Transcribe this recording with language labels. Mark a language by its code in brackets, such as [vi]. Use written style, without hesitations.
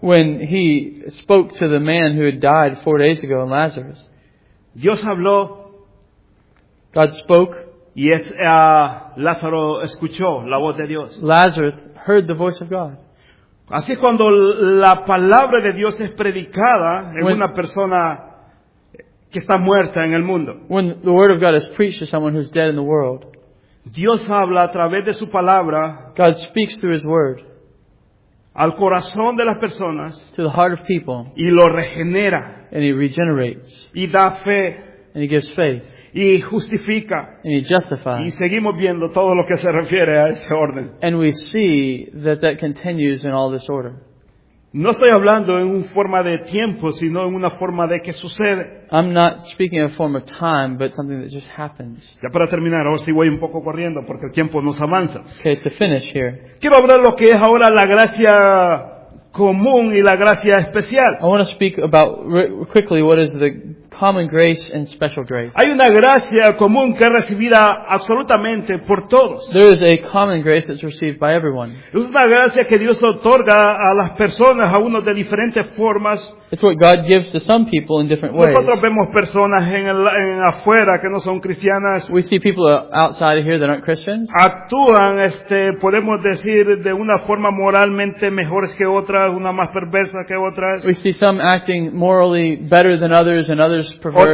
[en] When he spoke to the man who had died 4 days ago, Lazarus. [es] Dios habló. [en] God spoke. [es] Y es Lázaro escuchó la voz de Dios. [en] Lazarus heard the voice of God. [es] Así es cuando la palabra de Dios es predicada en una persona que está muerta en el mundo. [en] When the word of God is preached to someone who's dead in the world. [es] Dios habla a través de su palabra. [en] God speaks through his word. [es] Al corazón de las personas. [en] To the heart of people. [es] Y lo regenera. [en] And he regenerates. [es] Y da fe. [en] And he gives faith. [es] Y justifica. [en] And he justifies. [es] Y seguimos viendo todo lo que se refiere a ese orden. [en] And we see that that continues in all this order. [es] No estoy hablando en una forma de tiempo, sino en una forma de que sucede. [en] I'm not speaking in a form of time, but something that just happens. [es] Ya para terminar, ahora sí voy un poco corriendo porque el tiempo nos avanza. [en] Okay, to finish here. [es] Quiero hablar lo que es ahora la gracia común y la gracia especial. [en] I want to speak about quickly what is the common grace and special grace. [es] Hay una gracia común que es recibida absolutamente por todos. [en] There is a common grace that's received by everyone. [es] Es una gracia que Dios otorga a las personas, a unos de diferentes formas. [en] It's what God gives to some people in different ways. [es] Nosotros vemos personas en afuera que no son cristianas. [en] We see people outside of here that aren't Christians. [es] Actúan, podemos decir, de una forma moralmente mejores que otras, una más perversa que otras. [en] We see some acting morally better than others and others perverse.